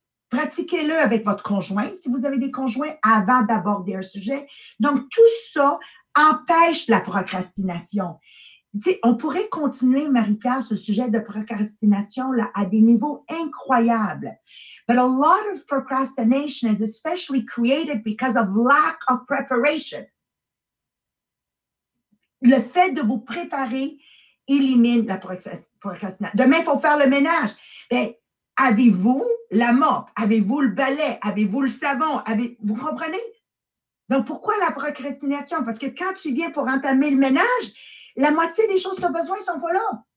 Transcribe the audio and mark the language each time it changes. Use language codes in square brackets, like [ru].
[fr] Pratiquez-le avec votre conjoint, si vous avez des conjoints, avant d'aborder un sujet. Donc, tout ça empêche la procrastination. T'sais, on pourrait continuer, Marie-Pierre, ce sujet de procrastination là, à des niveaux incroyables. [en] But a lot of procrastination is especially created because of lack of preparation. [fr] Le fait de vous préparer élimine la procrastination. Demain, il faut faire le ménage. Mais avez-vous la mop? Avez-vous le balai? Avez-vous le savon? Vous comprenez? Donc, pourquoi la procrastination? Parce que quand tu viens pour entamer le ménage, la moitié des choses que tu as besoin ne sont pas là.